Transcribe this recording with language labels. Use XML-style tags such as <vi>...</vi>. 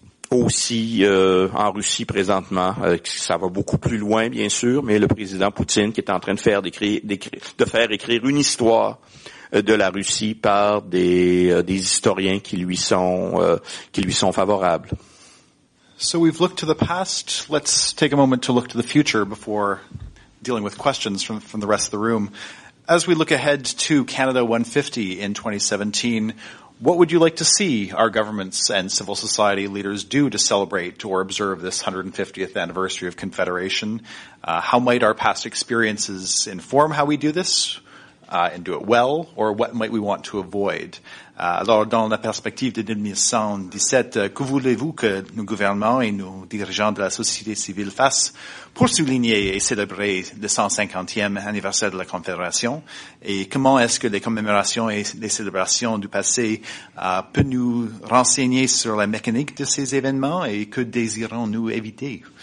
<fr>Aussi en Russie présentement, ça va beaucoup plus loin bien sûr, mais le président Poutine qui est en train de faire écrire une histoire de la Russie par des historiens qui lui sont favorables.</fr> <en>So we've looked to the past. Let's take a moment to look to the future before dealing with questions from the rest of the room. As we look ahead to Canada 150 in 2017, what would you like to see our governments and civil society leaders do to celebrate or observe this 150th anniversary of Confederation? How might our past experiences inform how we do this and do it well, or what might we want to avoid?</en> <fr>Alors, dans la perspective de 2017, que voulez-vous que nos gouvernements et nos dirigeants de la société civile fassent pour souligner et célébrer le 150e anniversaire de la Confédération? Et comment est-ce que les commémorations et les célébrations du passé peuvent nous renseigner sur la mécanique de ces événements et que désirons-nous éviter?</fr>